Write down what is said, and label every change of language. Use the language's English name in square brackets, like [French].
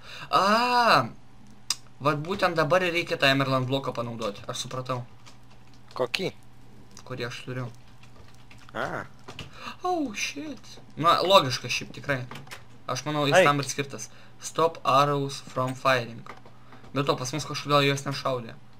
[Lithuanian] Vat būtent dabar reikia tą Emerland bloką panaudoti, aš supratau. Kokį? Kurį aš turiu. Aha. [English] Oh, shit. [Lithuanian] Na, logiška šiaip, tikrai. Aš manau, jis tam ir skirtas. [English] Stop arrows from firing. [Lithuanian] Bet to, pas mus kažkodėl jos nešaudė.